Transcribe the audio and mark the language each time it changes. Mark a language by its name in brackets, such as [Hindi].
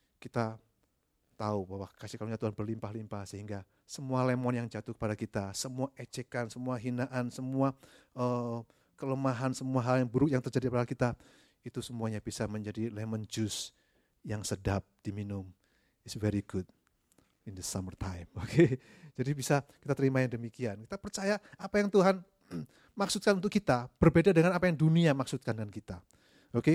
[Indonesian] Kita tahu bahwa kasih karunia Tuhan berlimpah-limpah sehingga semua lemon yang jatuh kepada kita, semua ejekan, semua hinaan, semua kelemahan, semua hal yang buruk yang terjadi pada kita, itu semuanya bisa menjadi lemon juice yang sedap diminum. [English] It's very good in the summertime. Okay? [Indonesian] Jadi bisa kita terima yang demikian. Kita percaya apa yang Tuhan maksudkan untuk kita berbeda dengan apa yang dunia maksudkan dengan kita. Okay?